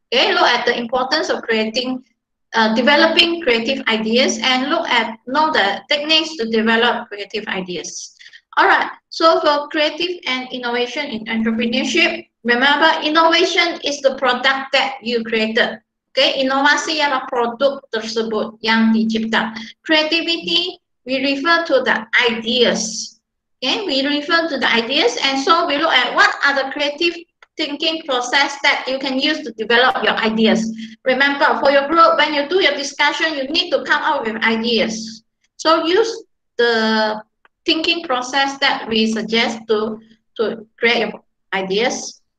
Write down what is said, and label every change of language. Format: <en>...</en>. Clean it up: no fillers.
<en>Okay, look at the importance of creating. Developing creative ideas and look at know the techniques to develop creative ideas. All right, so for creative and innovation in entrepreneurship, remember innovation is the product that you created.</en> <ms>Okay, inovasi ialah produk tersebut yang dicipta.</ms> <en>Creativity, we refer to the ideas. Okay, we refer to the ideas and so we look at what are the creative thinking process that you can use to develop your ideas. Remember, for your group, when you do your discussion, you need to come up with ideas. So use the thinking process that we suggest to create your ideas.</en>